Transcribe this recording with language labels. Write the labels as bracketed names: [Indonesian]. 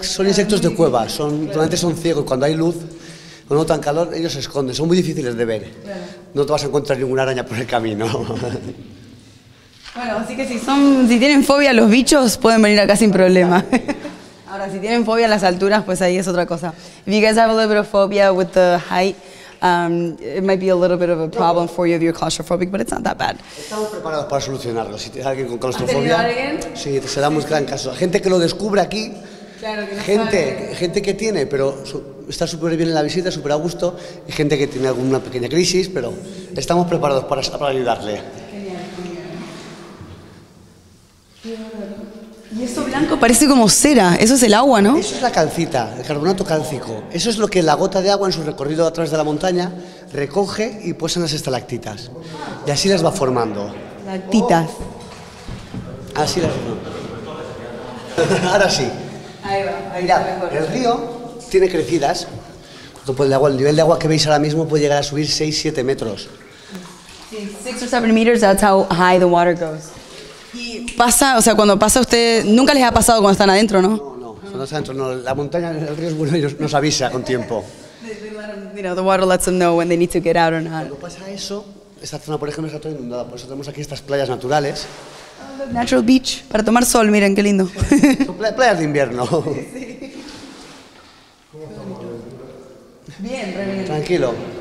[Spanish] Son insectos de cueva, son, realmente son ciegos, cuando hay luz, cuando no tan calor, ellos se esconden, son muy difíciles de ver. No te vas a encontrar ninguna araña por el camino. Bueno, así que si tienen fobia a los bichos, pueden venir acá sin problema. Ahora, si tienen fobia a las alturas, pues ahí es otra cosa. [English] If you guys have a little bit of phobia with the height, it might be a little bit of a problem for you if you're claustrophobic, but it's not that bad. [Spanish] Estamos preparados para solucionarlo. Si tienes alguien con claustrofobia, ¿has tenido alguien? Sí, será muy gran caso. Gente que lo descubre aquí, claro, que no gente, sabe. Gente que tiene, pero está súper bien en la visita, súper a gusto, y gente que tiene alguna pequeña crisis, pero estamos preparados para ayudarle. Y eso blanco parece como cera, eso es el agua, ¿no? Eso es la calcita, el carbonato cálcico. Eso es lo que la gota de agua en su recorrido a través de la montaña recoge y posa en las estalactitas. Y así las va formando. Estalactitas. Así las formando. Ahora sí. Ahí va. Mira, el río tiene crecidas. El nivel de agua que veis ahora mismo puede llegar a subir 6, 7 metros. Sí, 6 o 7 metros, [English] that's how high the water goes. [Spanish] Pasa, o sea, cuando pasa usted, nunca les ha pasado cuando están adentro, ¿no? No, cuando están adentro, no. La montaña, el río es bueno, ellos nos avisa con tiempo. [English] The water lets them know when they need to get out or not. [Spanish] Cuando pasa eso, esta zona, por ejemplo, está toda inundada, por eso tenemos aquí estas playas naturales. [English] Natural beach, [Spanish] para tomar sol, miren qué lindo. Son playas de invierno. Bien, re bien. Tranquilo.